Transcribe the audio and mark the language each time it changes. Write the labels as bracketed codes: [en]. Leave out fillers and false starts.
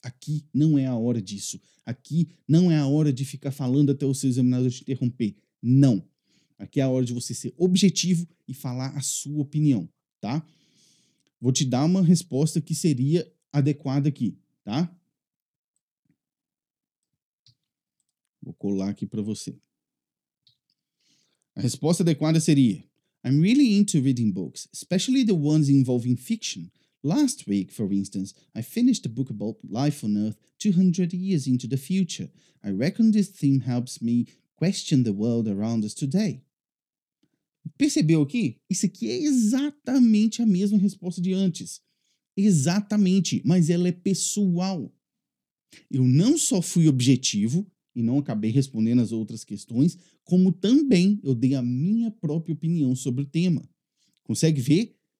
[pt] Aqui não é a hora disso. Aqui não é a hora de ficar falando até o seu examinador te interromper. Não. Aqui é a hora de você ser objetivo e falar a sua opinião, tá? Vou te dar uma resposta que seria adequada aqui, tá? Vou colar aqui para você. A resposta adequada seria: [en] I'm really into reading books, especially the ones involving fiction. Last week, for instance, I finished a book about life on Earth 200 years into the future. I reckon this theme helps me question the world around us today. [pt] Percebeu aqui? Isso aqui é exatamente a mesma resposta de antes. Exatamente, mas ela é pessoal. Eu não só fui objetivo e não acabei respondendo as outras questões, como também eu dei a minha própria opinião sobre o tema. Consegue ver?